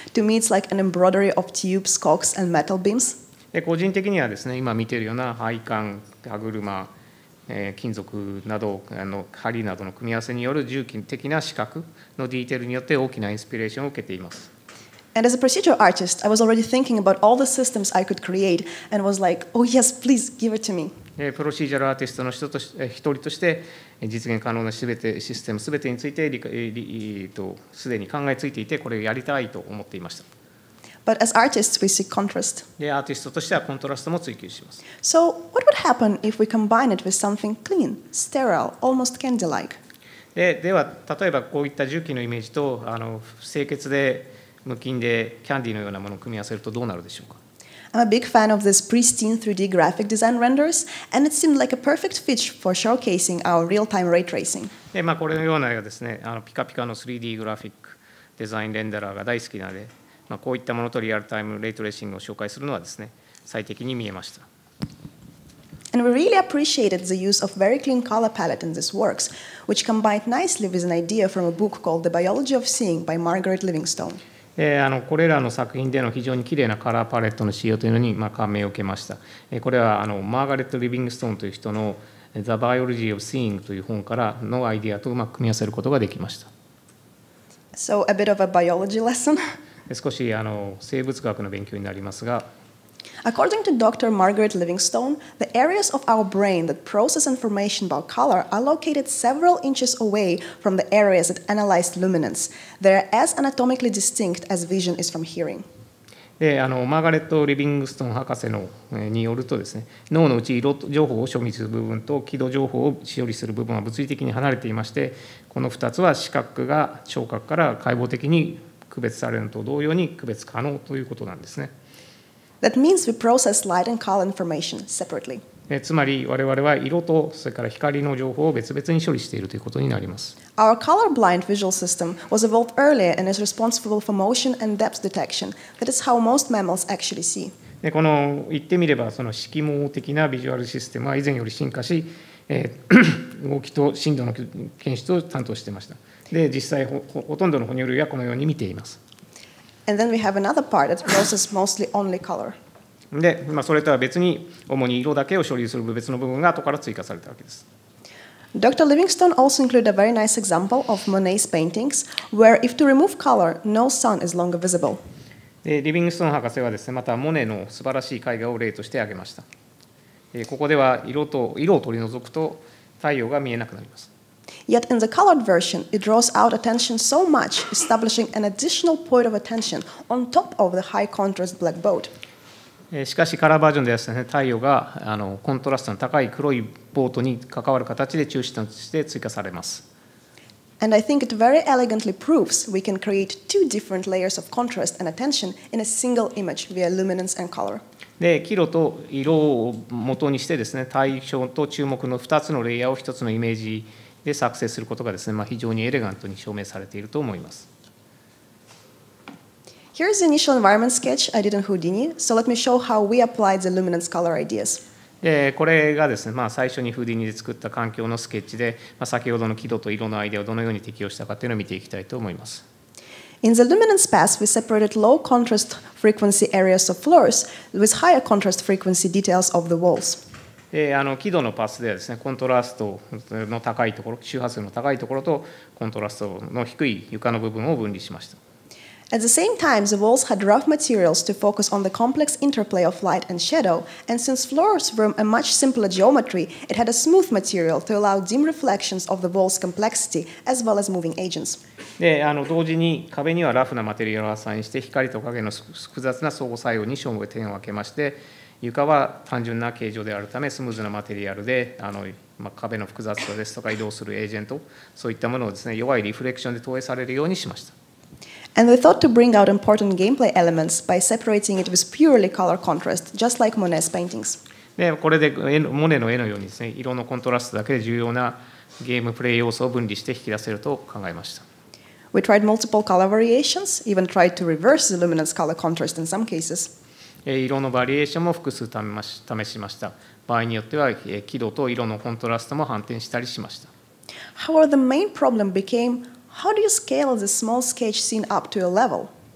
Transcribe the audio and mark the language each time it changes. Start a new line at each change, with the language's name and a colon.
English: To me, it's like an embroidery of tubes, cogs, and metal beams.
Japanese: で個人的にはですね、今見ているような配管、歯車、金属など、針などの組み合わせによる重機的な視覚のディテールによって大きなインスピレーションを受けています。
English: And as a procedural artist, I was already thinking about all the systems I could create and was like, oh yes, please give it to me.
Japanese: プロシージャルアーティストの一人として実現可能なすべてシステムすべてについてすでに考えついていて、これをやりたいと思っていました。
English: But as artists, we seek contrast.
Japanese: アーティストとしてはコントラストも追求します。
English: So what would happen if we combine it with something clean, sterile, almost candy-like?
Japanese: では、例えばこういった重機のイメージと清潔で無菌でキャンディーのようなものを組み合わせるとどうなるでしょうか。
English: I'm a big fan of this pristine 3D graphic design renders, and it seemed like a perfect fit for showcasing our real-time ray tracing.
Japanese: で、まあ、これのようなですね、ピカピカの 3D グラフィックデザインレンダラーが大好きなので、まあ、こういったものとリアルタイムレイトレーシングを紹介するのはですね、最適に見えました。
English: And we really appreciated the use of very clean color palette in these works, which combined nicely with an idea from a book called The Biology of Seeing by Margaret Livingstone.
Japanese: これらの作品での非常にきれいなカラーパレットの使用というのに、まあ、感銘を受けました。これはマーガレット・リビングストーンという人の The Biology of Seeing という本からのアイデアとうまく組み合わせることができました。
English: So a bit of a biology lesson.
Japanese: 少し生物学の勉強になりますが、
English: According to Dr. Margaret Livingstone, the areas of our brain that process information about color are located several inches away from the areas that analyze luminance. They are as anatomically distinct as vision is from hearing.
Japanese: マーガレット・リビングストン博士のによるとですね、脳のうち色情報を処理する部分と輝度情報を処理する部分は物理的に離れていまして、この2つは視覚が聴覚から解剖的に区別されるのと同様に区別可能ということなんですね。
English: That means we process light and color information separately.
Japanese: つまり我々は色とそれから光の情報を別々に処理しているということになります。
English: Our colorblind visual system was evolved earlier and is responsible for motion and depth detection. That is how most mammals actually see.
Japanese: で、この言ってみればその色盲的なビジュアルシステムは以前より進化し、動きと振動の検出を担当していました。で、実際 ほとんどの哺乳類はこのように見ています。
English: And then we have another part that processes mostly only color.
Japanese: で、まあ、それとは別に主に色だけを処理する別の部分が後から追加されたわけです。
English: Dr. Livingstone also included a very nice example of Monet's paintings, where if to remove color, no sun is longer visible.
Japanese: で、リビングストーン博士はですね、またモネの素晴らしい絵画を例として挙げました。ここでは色を取り除くと太陽が見えなくなります。
English: Yet in the colored version, it draws out attention so much, establishing an additional point of attention on top of the high contrast black boat.
Japanese: しかしカラーバージョンではですね、太陽がコントラストの高い黒いボートに関わる形で中心として追加されます。
English: And I think it very elegantly proves we can create two different layers of contrast and attention in a single image via luminance and color.
Japanese: で、黄色と色を元にしてですね、対象と注目の2つのレイヤーを1つのイメージで作成することがですね、まあ、非常にエレガントに証明されていると思います。
English: Here's the initial environment sketch I did in Houdini. So let me show how we applied the luminance color ideas.
Japanese: これがですね、まあ、最初にHoudiniで作った環境のスケッチで、まあ、先ほどの輝度と色のアイデアをどのように適用したかというのを見ていきたいと思います。
English: In the luminance path, we separated low contrast frequency areas of floors with higher contrast frequency details of the walls.
Japanese: 輝度のパスではですね、コントラストの高いところ、周波数の高いところとコントラストの低い床の部分を分離しました。
English: At the same time, the walls had rough materials to focus on the complex interplay of light and shadow, and since floors were a much simpler geometry, it had a smooth material to allow dim reflections of the wall's complexity as well as moving agents.
Japanese: で、同時に壁にはラフなマテリアルをアサインして、光と影の複雑な相互作用に照明点を分けまして、床は単純な形状であるためスムーズなマテリアルで、まあ、壁の複雑さですとか移動するエージェント、そういったものをですね、弱いリフレクションで投影されるようにしました。
English: And we thought to bring out important gameplay elements by separating it with purely color contrast, just like Monet's paintings.
Japanese: で、これでモネの絵のようにですね、色のコントラストだけで重要なゲームプレイ要素を分離して引き出せると考えました。
English: We tried multiple color variations, even tried to reverse the luminance color contrast in some cases.
Japanese: 色のバリエーションも複数試しました。場合によっては、輝度と色のコントラストも反転したりしました。
English: However, the main problem became, how do you scale the small sketch scene up to a level?